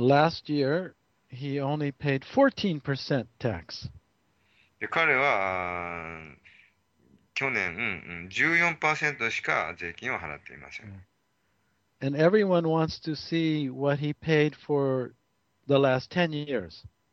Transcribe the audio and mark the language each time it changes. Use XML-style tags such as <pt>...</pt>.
<en>Last year, he only paid 14% tax.</en> <ja>で、彼は、去年、14%しか税金を払っていません。</ja> <en>And everyone wants to see what he paid for the last 10 years.</en>